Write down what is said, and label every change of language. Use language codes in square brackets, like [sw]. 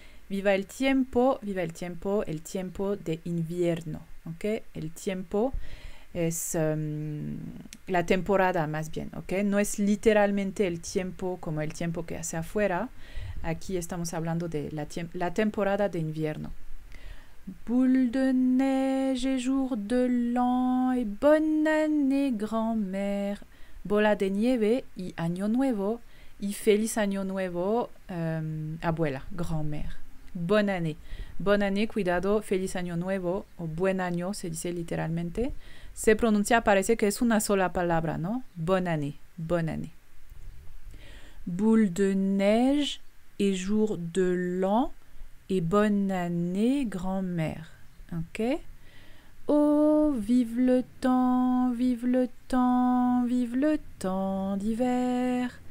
[es] Viva el tiempo de invierno. Ok, el tiempo es la temporada más bien. Ok, no es literalmente el tiempo como el tiempo que hace afuera. Aquí estamos hablando de la temporada de invierno. [fr] Boule de neige et jour de l'an et bonne année grand-mère. [es] Bola de nieve y año nuevo y feliz año nuevo, abuela, grand-mère. [fr] Bonne année, [es] cuidado, feliz año nuevo o buen año, se dice literalmente. Se pronuncia, parece que es una sola palabra, ¿no? [fr] Bonne année, bonne année. Boule de neige et jour de l'an et bonne année, grand-mère. Ok? Oh, vive le temps, d'hiver.